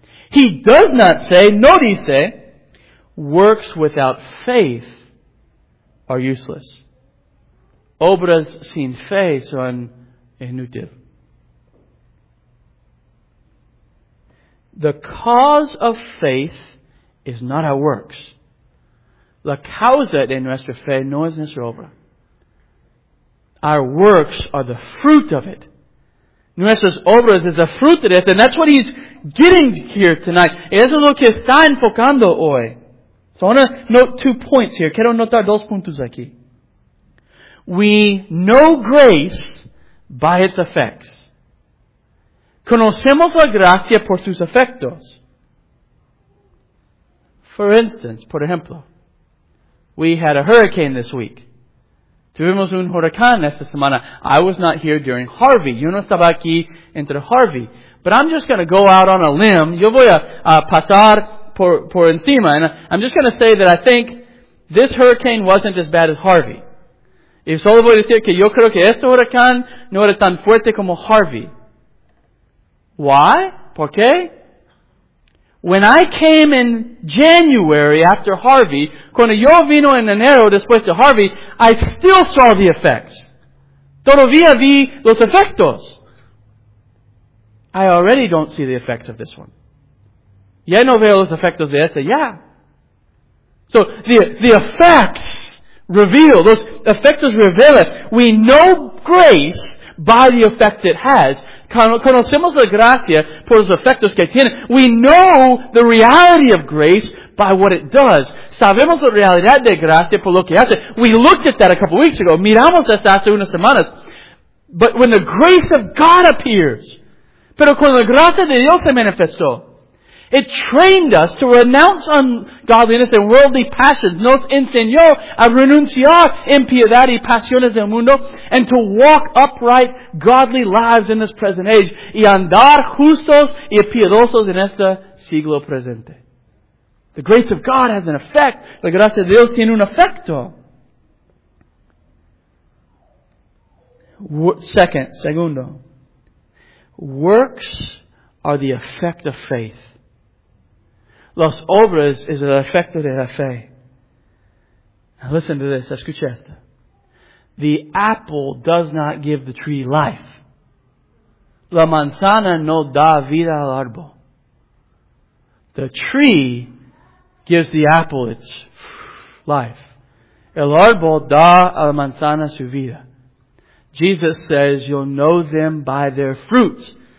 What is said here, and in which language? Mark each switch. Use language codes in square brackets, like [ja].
[en] He does not say, [es] no dice, [en] works without faith are useless. [es] Obras sin fe son inútil. [en] The cause of faith is not our works. [es] La causa de nuestra fe no es nuestra obra. [en] Our works are the fruit of it. [es] Nuestras obras es el fruto de esto. [en] And that's what he's getting here tonight. [es] Eso es lo que está enfocando hoy. [en] So I want to note 2 points here. [es] Quiero notar 2 puntos aquí. [en] We know grace by its effects. [es] Conocemos la gracia por sus efectos. [en] For instance, [es] por ejemplo, [en] we had a hurricane this week. [es] Tuvimos un huracán esta semana. [en] I was not here during Harvey. [es] Yo no estaba aquí entre Harvey. [en] But I'm just going to go out on a limb. [es] Yo voy a pasar por encima. [en] And I'm just going to say that I think this hurricane wasn't as bad as Harvey. [es] Y solo voy a decir que yo creo que este huracán no era tan fuerte como Harvey. [en] Why? [es] ¿Por qué? [en] When I came in January after Harvey, [es] cuando yo vino en enero después de Harvey, [en] I still saw the effects. [es] Todavía vi los efectos. [en] I already don't see the effects of this one. [es] Ya no veo los efectos de este, ya. [en] So, the effects reveal, those [es] efectos revelan. [en] We know grace by the effect it has. [es] Conocemos la gracia por los efectos que tiene. [en] We know the reality of grace by what it does. [es] Sabemos la realidad de gracia por lo que hace. [en] We looked at that a couple weeks ago. [es] Miramos esto hace unas semanas. [en] But when the grace of God appears, [es] pero cuando la gracia de Dios se manifestó, [en] it trained us to renounce ungodliness and worldly passions. [es] Nos enseñó a renunciar impiedad y pasiones del mundo [en] and to walk upright, godly lives in this present age [es] y andar justos y piedosos en este siglo presente. [en] The grace of God has an effect. [es] La gracia de Dios tiene un efecto. [en] Segundo. Works are the effect of faith. [es] Las obras es el efecto de la fe. [en] Now listen to this. [es] Escucha esto. [en] The apple does not give the tree life. [es] La manzana no da vida al árbol. [en] The tree gives the apple its life. [es] El árbol da a la manzana su vida. [en] Jesus says, you'll know them by their fruits.